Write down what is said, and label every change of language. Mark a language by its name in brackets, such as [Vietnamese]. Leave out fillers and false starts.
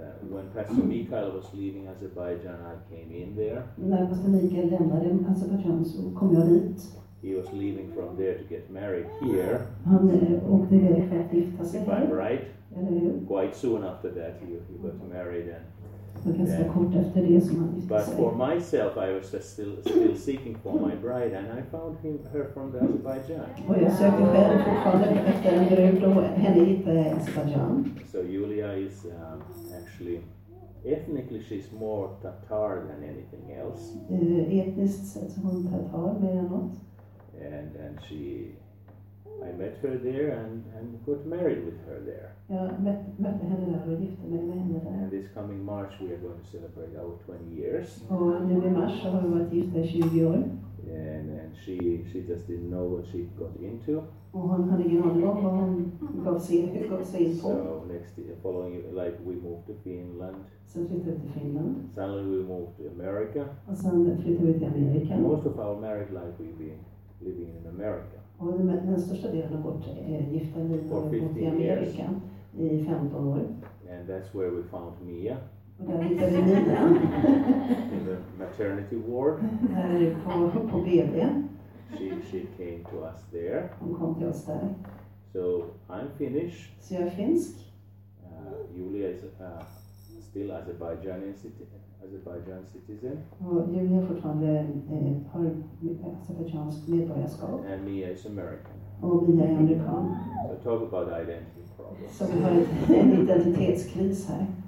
[English] When Pastor Mikael was leaving Azerbaijan, I came in there. [Swedish] När Pastor Mikael lämnade Azerbaijan så kom jag dit. [English] He was leaving from there to get married here. [Swedish] Han åkte iväg för att gifta sig. [English] If I'm right, quite soon after that he got married. And [Swedish] ganska kort efter det som han gifte sig. [English] But for myself, I was just still seeking for my bride, and I found her from the Azerbaijan. [Swedish] Och jag sökte själv fortfarande efter en brud och henne hittade jag i Azerbaijan. [English] So Julia is actually, ethnically she's more Tatar than anything else. [Swedish] Etniskt sett så hon Tatar mer än något. [English] And she, I met her there and got married with her there. [Swedish] Ja, mötte henne där och gifte mig med henne där. [English] And this coming March we are going to celebrate our 20 years. [Swedish] Och nu i mars har vi varit gifta 20 år. [English] And she just didn't know what she got into. [Swedish] Och hon hade ingen aning om vad hon gav sig in på. [English] So next year, following, like, we moved to Finland. [Swedish] Så flyttade till Finland. [English] Suddenly we moved to America. [Swedish] Och sen flyttade vi till Amerika. [English] Most of our married life we've been living in America. [Swedish] Och den största delen av vårt gifta liv har bott i Amerika [English] years. [Swedish] I 15 år. [English] And that's where we found Mia. [Swedish] Och där hittade vi Mia. [English] In the maternity ward. [Swedish] på BB. [English] She came to us there. [Swedish] Hon kom till oss där. [English] So I'm Finnish. [Swedish] Så jag är finsk. [English] Julia is still Azerbaijan citizen. [Swedish] Och Julia fortfarande har azerbaijansk medborgarskap. [English] And Mia is American. [Swedish] Och Mia är amerikan. [English] So talk about identity problems. [Swedish] Så vi har en identitetskris här.